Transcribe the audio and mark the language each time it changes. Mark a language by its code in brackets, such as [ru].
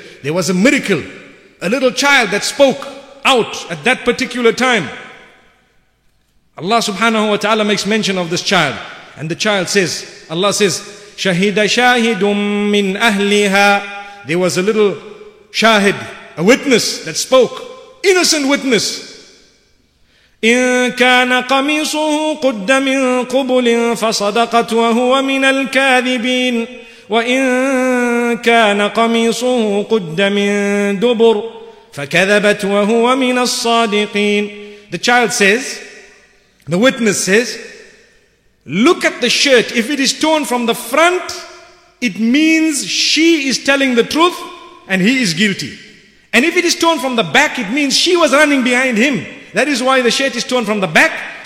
[en] There was a miracle, a little child that spoke out at that particular time. Allah subhanahu wa ta'ala makes mention of this child. And the child says, Allah says, [ar] Shahida shahidum min ahliha. [en] There was a little shahid, a witness that spoke, innocent witness. [ar] إن كان قميصه قد من قبل فصدقت وهو من الكاذبين وإن كان قميصه قد من دبر فكذبت وهو من الصادقين. [en] The child says, the witness says, look at the shirt. If it is torn from the front, it means she is telling the truth and he is guilty. And if it is torn from the back, it means she was running behind him. That is why the shirt is torn from the back.